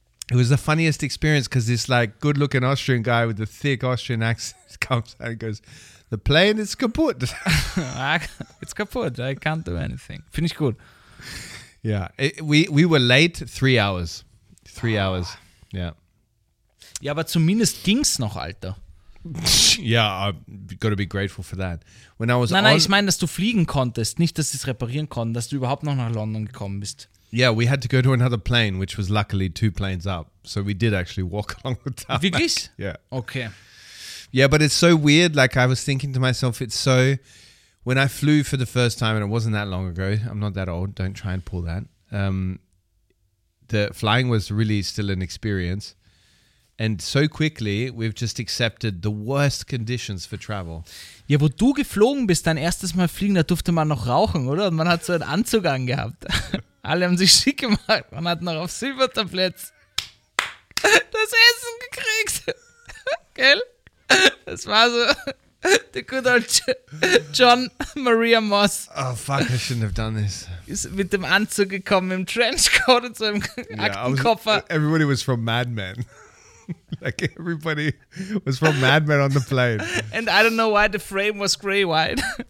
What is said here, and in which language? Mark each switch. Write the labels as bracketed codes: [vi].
[en] It was the funniest experience because this like good-looking Austrian guy with the thick Austrian accent comes out and goes, the plane is kaput. It's kaput. I can't do anything. Finish good. Yeah, we were late 3 hours. Three hours, yeah. [de] Ja, aber zumindest ging's noch, Alter. [en] Yeah, I've got to be grateful for that. When I was [de] ich meine, dass du fliegen konntest, nicht, dass sie es reparieren konnten, dass du überhaupt noch nach London gekommen bist. [en] Yeah, we had to go to another plane, which was luckily two planes up. So we did actually walk along the tarmac. [de] Wirklich? [en] Yeah. Okay. Yeah, but it's so weird. Like, I was thinking to myself, it's so... When I flew for the first time, and it wasn't that long ago, I'm not that old, don't try and pull that. The flying was really still an experience. And so quickly, we've just accepted the worst conditions for travel. [de] Ja, wo du geflogen bist, dein erstes Mal fliegen, da durfte man noch rauchen, oder? Und man hat so einen Anzug angehabt. Alle haben sich schick gemacht. Man hat noch auf Silbertabletts das Essen gekriegt. Gell? Das war so [en] the good old [de] John Maria Moss. [en] Oh, fuck, I shouldn't have done this. [de] Ist mit dem Anzug gekommen, im Trenchcoat und so im Aktenkoffer. [en] Yeah, everybody was from Mad Men. Like, everybody was from Mad Men on the plane. And I don't know why the frame was grey-white.